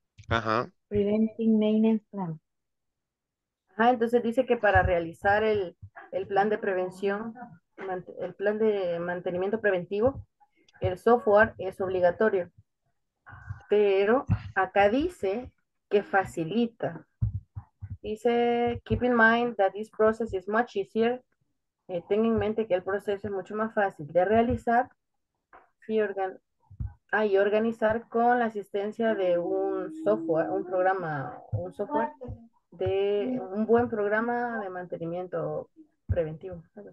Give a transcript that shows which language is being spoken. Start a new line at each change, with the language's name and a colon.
Spanish: Ajá.
English: Preventing maintenance plan.
Spanish: Ajá, entonces dice que para realizar el plan de prevención, el plan de mantenimiento preventivo, el software es obligatorio. Pero acá dice que facilita.
English: Dice, keep in mind that this process is much easier.
Spanish: Ten en mente que el proceso es mucho más fácil de realizar y, y organizar con la asistencia de un software, un programa, un software de un buen programa de mantenimiento preventivo.